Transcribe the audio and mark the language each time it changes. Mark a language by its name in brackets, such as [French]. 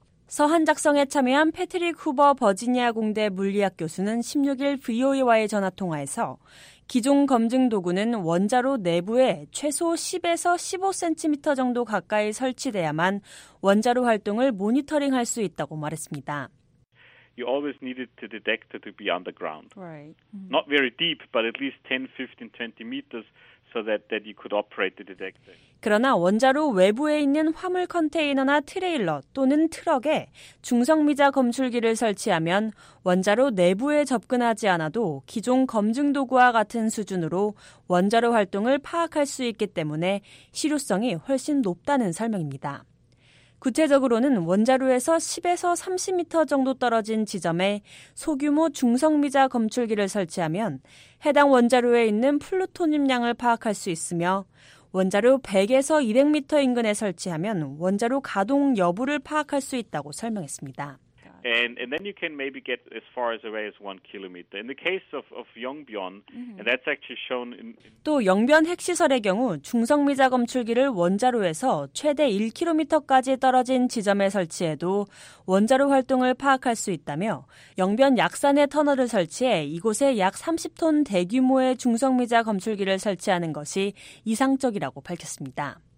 [Korean] 서한 작성에 참여한 패트릭 후버 버지니아 공대 물리학 교수는 16일 VOA와의 전화통화에서 기존 검증 도구는 원자로 내부에 최소 10에서 15cm 정도 가까이 설치돼야만 원자로 활동을 모니터링할 수 있다고 말했습니다. [English] You always needed to detect it to be underground. Right. Not very deep, but at least 10, 15, 20 meters so that you could operate the detector. [Korean] 그러나 원자로 외부에 있는 화물 컨테이너나 트레일러 또는 트럭에 중성미자 검출기를 설치하면 원자로 내부에 접근하지 않아도 기존 검증 도구와 같은 수준으로 원자로 활동을 파악할 수 있기 때문에 실효성이 훨씬 높다는 설명입니다. 구체적으로는 원자로에서 10에서 30m 정도 떨어진 지점에 소규모 중성미자 검출기를 설치하면 해당 원자로에 있는 플루토늄 양을 파악할 수 있으며 원자로 100에서 200m 인근에 설치하면 원자로 가동 여부를 파악할 수 있다고 설명했습니다. [English] And then you can maybe get as far as away as 1 km. In the case of Yongbyon, and that's actually shown in [Korean] 또 영변 핵시설의 경우 중성미자 검출기를 원자로에서 최대 1km까지 떨어진 지점에 설치해도 원자로 활동을 파악할 수 있다며 영변 약산의 터널을 설치해 이곳에 약 30톤 대규모의 중성미자 검출기를 설치하는 것이 이상적이라고 밝혔습니다.